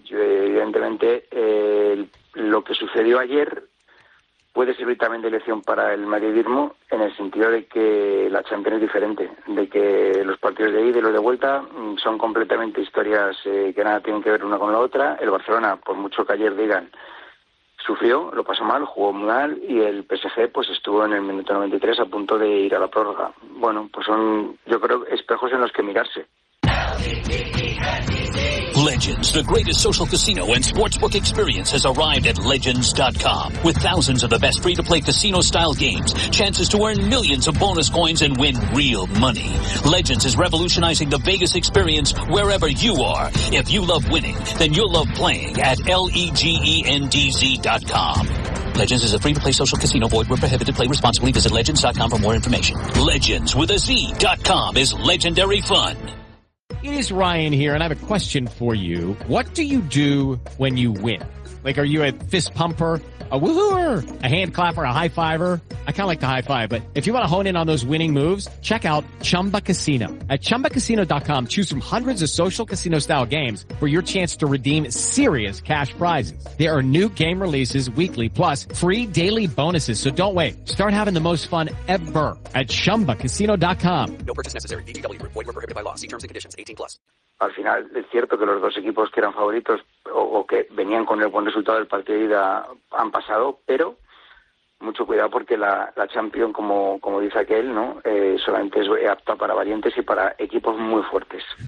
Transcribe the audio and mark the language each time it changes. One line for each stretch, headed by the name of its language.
Spanish: Yo, evidentemente, lo que sucedió ayer puede servir también de lección para el madridismo, en el sentido de que la Champions es diferente, de que los partidos de ida y los de vuelta son completamente historias que nada tienen que ver una con la otra. El Barcelona, por mucho que ayer digan, sufrió, lo pasó mal, jugó muy mal, y el PSG pues estuvo en el minuto 93 a punto de ir a la prórroga. Bueno, pues son, yo creo, espejos en los que mirarse.
English: Legends, the greatest social casino and sportsbook experience has arrived at Legends.com. With thousands of the best free-to-play casino-style games, chances to earn millions of bonus coins and win real money. Legends is revolutionizing the Vegas experience wherever you are. If you love winning, then you'll love playing at Legends.com. Legends is a free-to-play social casino. Void where prohibited. Play responsibly. Visit Legends.com for more information. Legends with a Z.com is legendary fun. It is Ryan here, and I have a question for you. What do you do when you win? Like, are you a fist pumper, a woohooer, a hand clapper, a high fiver? I kind of like the high five, but if you want to hone in on those winning moves, check out Chumba Casino. At chumbacasino.com, choose from hundreds of social casino style games for your chance to redeem serious cash prizes. There are new game releases weekly, plus free daily bonuses. So don't wait. Start having the most fun ever at chumbacasino.com. No purchase necessary. VGW. Void where prohibited by law. See terms and conditions 18 plus.
Spanish: Al final, es cierto que los dos equipos que eran favoritos o que venían con el buen resultado del partido de ida han pasado, pero mucho cuidado porque la Champions, como dice aquel, ¿no? Solamente es apta para valientes y para equipos muy fuertes.